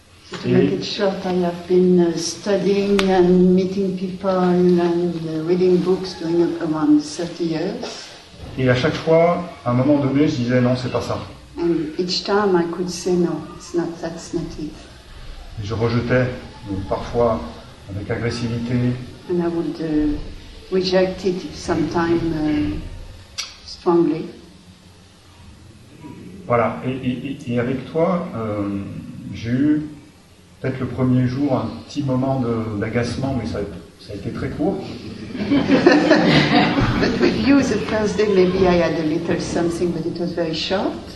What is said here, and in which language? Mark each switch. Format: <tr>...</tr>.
<en>So to make it short, I have been studying and meeting people and reading books during around 30 years.</en> <fr>Et à chaque fois, à un moment donné, je disais non, c'est pas ça.</fr> <en>And each time I could say no, it's not, that's not it.</en> <fr>Et je rejetais, parfois, avec agressivité.</fr> <en>And I would reject it sometimes strongly.</en> <fr>Voilà, et avec toi, j'ai eu peut-être le premier jour un petit moment d'agacement, mais ça a été très court.</fr> <en>But with you the first day, maybe I had a little something, but it was very short.</en>